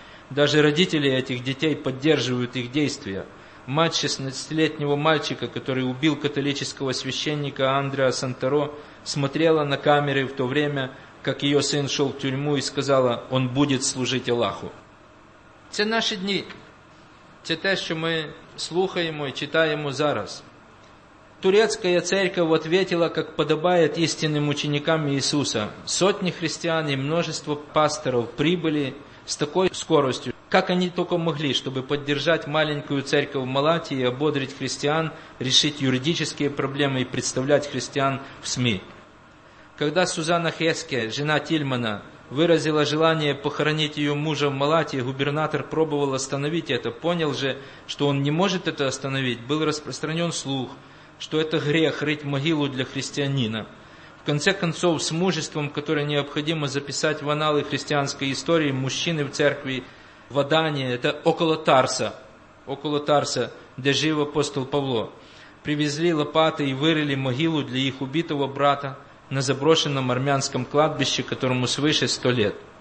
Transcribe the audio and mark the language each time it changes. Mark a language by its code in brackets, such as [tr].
[ru] Даже родители этих детей поддерживают их действия. Мать 16-летнего мальчика, который убил католического священника Андреа Сантеро, смотрела на камеры в то время, как ее сын шел в тюрьму и сказала: «Он будет служить Аллаху». [uk] Це наші дні. Це те, що ми слухаємо і читаємо зараз. Турецька церковь відповіла, як подобає істинним ученикам Ісуса. Сотні християн і множество пасторів прибули з такою скоростю, як вони тільки могли, щоб підтримати маленьку церковь в Малатії, ободрити християн, рішити юридичні проблеми і представляти християн в СМІ. [ru] Коли Сузанна Хеске, жена Тільмана, выразила желание похоронить ее мужа в Малатии, губернатор пробовал остановить это, понял же, что он не может это остановить. Был распространен слух, что это грех рыть могилу для христианина. В конце концов, с мужеством, которое необходимо записать в аналы христианской истории, мужчины в церкви в Адане, это около Тарса, где жив апостол Павло, привезли лопаты и вырыли могилу для их убитого брата на заброшенном армянском кладбище, которому свыше 100 лет.